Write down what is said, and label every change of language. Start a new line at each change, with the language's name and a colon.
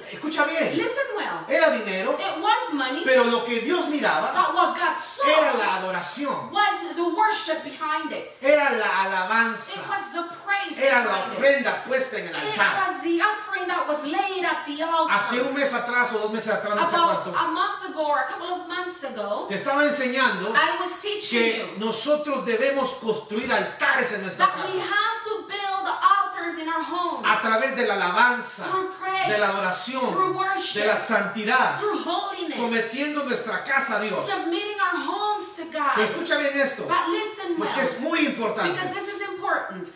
Spanish: Escucha bien.
English: Listen well.
Spanish: Era dinero.
English: It was money.
Spanish: Pero lo que Dios miraba,
English: but what God saw,
Spanish: era la adoración.
English: Was the worship behind it.
Spanish: Era la alabanza.
English: It was the praise.
Spanish: Era la ofrenda puesta en el altar.
English: It was the offering that was laid at the altar.
Spanish: Hace un mes atrás o dos meses atrás, no sé cuánto.
English: A month ago or a couple of months ago.
Spanish: Te estaba enseñando que nosotros debemos construir altares en nuestra casa.
English: We have to build altars in our homes.
Spanish: A través de la alabanza,
English: praise,
Spanish: de la adoración,
English: worship,
Spanish: de la santidad,
English: holiness,
Spanish: sometiendo nuestra casa a Dios.
English: Submitting our homes to God.
Spanish: Pero escucha bien esto,
English: but listen
Spanish: porque
English: well,
Spanish: es muy importante.
English: Because this is important.